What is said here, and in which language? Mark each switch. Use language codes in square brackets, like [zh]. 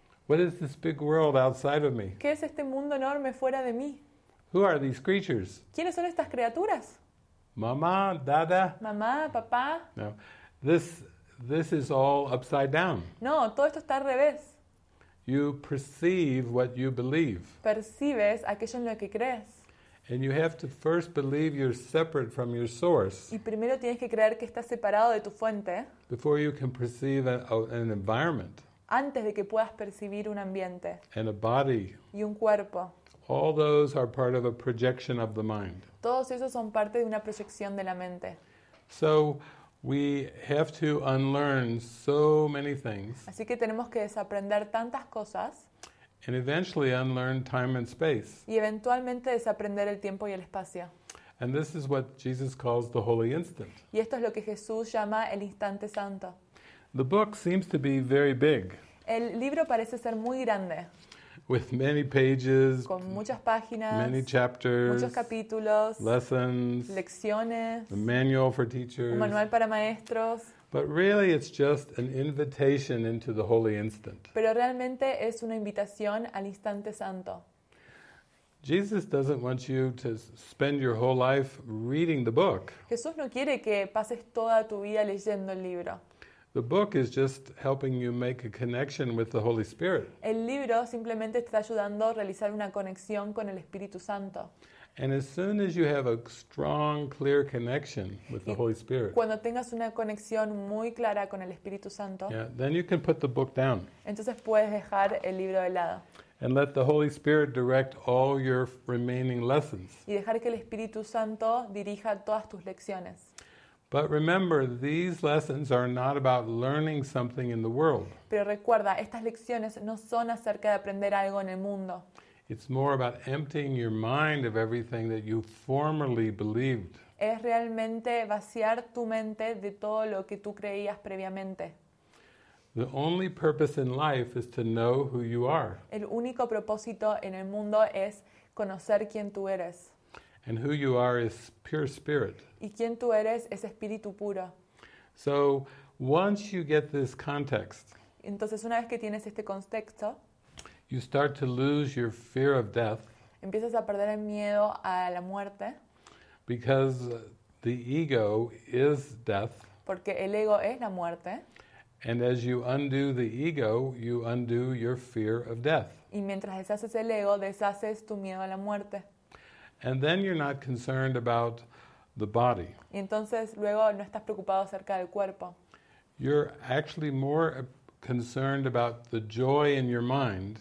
[en] What is this big world outside of me? [es] ¿Qué es este mundo enorme fuera de mí? [en] Who are these creatures? [es] ¿Quiénes son estas criaturas? [en] Mamá, dada. [es] Mamá, papá. [en] No, this is all upside down. [es] No, todo esto está al revés. [en] You perceive what you believe. [es] Percibes aquello en lo que crees. [en] And you have to first believe you're separate from your source. [es] Y primero tienes que creer que estás separado de tu fuente. [en] Before you can perceive an environment. [es] Antes de que puedas percibir un ambiente. [en] And a body. [es] Y un cuerpo. [en] All those are part of a projection of the mind. [es] Todos esos son parte de una proyección de la mente. [en] So we have to unlearn so many things. [es] Así que tenemos que desaprender tantas cosas. [en] And eventually unlearn time and space. [es] Y eventualmente desaprender el tiempo y el espacio. [en] And this is what Jesus calls the holy instant. [es] Y esto es lo que Jesús llama el instante santo. [en] The book seems to be very big. [es] El libro parece ser muy grande. [en] With many pages. [es] Con muchas páginas. [en] Many chapters. [es] Muchos capítulos. [en] Lessons. [es] Lecciones. [en] A manual for teachers. [es] Un manual para maestros. [en] But really it's just an invitation into the holy instant. [es] Pero realmente es una invitación al instante santo. [en] Jesus doesn't want you to spend your whole life reading the book. [es] Jesús no quiere que pases toda tu vida leyendo el libro. [en] The book is just helping you make a connection with the Holy Spirit. [es] El libro simplemente está ayudando a realizar una conexión con el Espíritu Santo. [en] And as soon as you have a strong, clear connection with the Holy Spirit. [es] Cuando tengas una conexión muy clara con el Espíritu Santo. [en] Yeah, then you can put the book down. [es] Entonces puedes dejar el libro de lado. [en] And let the Holy Spirit direct all your remaining lessons. [es] Y dejar que el Espíritu Santo dirija todas tus lecciones. [en] But remember, these lessons are not about learning something in the world. [es] Pero recuerda, estas lecciones no son acerca de aprender algo en el mundo. [en] It's more about emptying your mind of everything that you formerly believed. [es] Es realmente vaciar tu mente de todo lo que tú creías previamente. [en] The only purpose in life is to know who you are. [es] El único propósito en el mundo es conocer quién tú eres. [en] And who you are is pure spirit. [es] Y quien tú eres es espíritu puro. [en] So once you get this context, [es] entonces una vez que tienes este contexto, [en] you start to lose your fear of death. [es] Empiezas a perder el miedo a la muerte. [en] Because the ego is death. [es] Porque el ego es la muerte. [en] And as you undo the ego, you undo your fear of death. [es] Y mientras deshaces el ego, deshaces tu miedo a la muerte. [en] And then you're not concerned about the body. [es] Y entonces luego no estás preocupado acerca del cuerpo. [en] You're actually more concerned about the joy in your mind.